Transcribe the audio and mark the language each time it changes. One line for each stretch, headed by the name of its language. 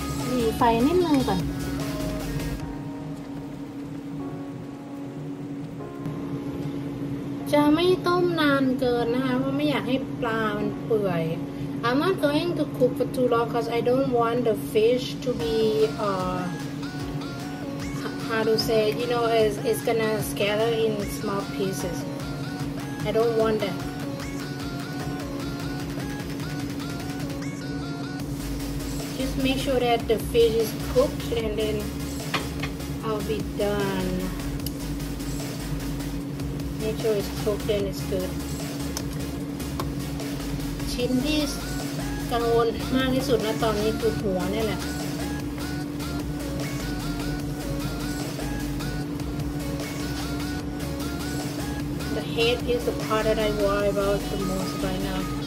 Thai: หรี่ไฟนิดนึงก่อนจะไม่ต้มนานเกินนะคะเพราะไม่อยากให้ปลามันเปื่อย
English: I'm not going to cook for too long because I don't want the fish to be how to say it? You know it's gonna scatter in small pieces I don't want that just make sure that the fish is cooked and then I'll be doneMake sure it's cooked and it's good.
Thai: ชิ้นที่กังวลมากที่สุดนะตอนนี้คือหัวนี่แหละ
English: The head is the part that I worry about the most right now.